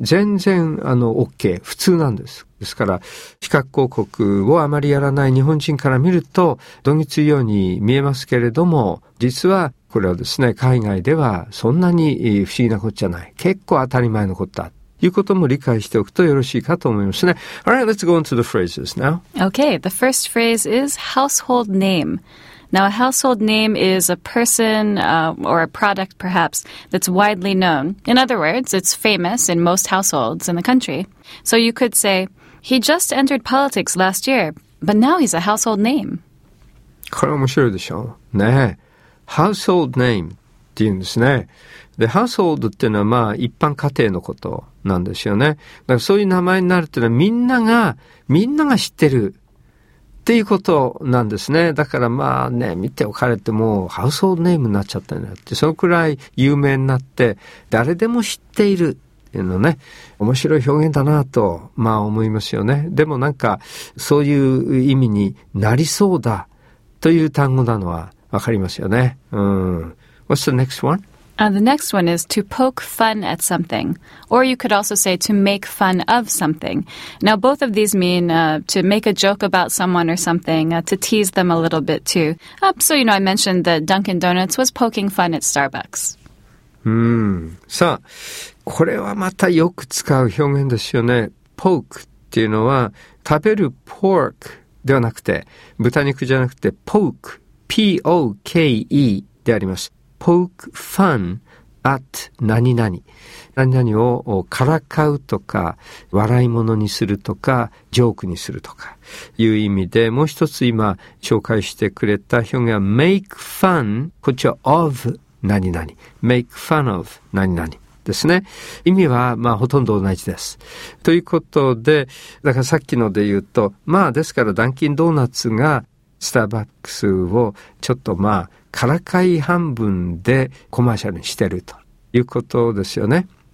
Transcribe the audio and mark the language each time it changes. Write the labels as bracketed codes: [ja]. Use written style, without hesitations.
[ja] 全然、OK。普通なんです。ですから、比較広告をあまりやらない日本人から見ると、どぎついように見えますけれども、実は、これはですね、海外ではそんなに不思議なことじゃない。結構当たり前のことだ。ということも理解しておくとよろしいかと思いますね。 [en] All right, let's go into the phrases now. Okay, the first phrase is household name. Now, a household name is a person, or a product, perhaps, that's widely known. In other words, it's famous in most households in the country. So you could say, he just entered politics last year, but now he's a household name. [ja] これ面白いでしょ。ねえ。 Household name って言うんですね。で、household っていうのはまあ一般家庭のことなんですよね。だからそういう名前になるっていうのはみんなが知ってる。っていうことなんですね。だからまあね、見ておかれてもうハウスホールネームになっちゃったんだよって、そのくらい有名になって、誰でも知っているっていうのね、面白い表現だなと、まあ思いますよね。でもなんか、そういう意味になりそうだという単語なのはわかりますよね。 [en] What's the next one? The next one is to poke fun at something, or you could also say to make fun of something. Now, both of these mean to make a joke about someone or something, to tease them a little bit, too. So, you know, I mentioned that Dunkin' Donuts was poking fun at Starbucks. [ja] さあ、これはまたよく使う表現ですよね。 poke っていうのは、食べる pork ではなくて、豚肉じゃなくて poke、P-O-K-E であります。 poke fun at 何々。何々をからかうとか、笑い物にするとか、ジョークにするとか、いう意味で、もう一つ今紹介してくれた表現は make fun、こっちは of 何々。 make fun of 何々ですね。意味は、まあ、ほとんど同じです。ということで、だからさっきので言うと、まあ、ですから、ダンキンドーナツが、スターバックスをちょっとまあからかい半分でコマーシャルにしてるということですよね。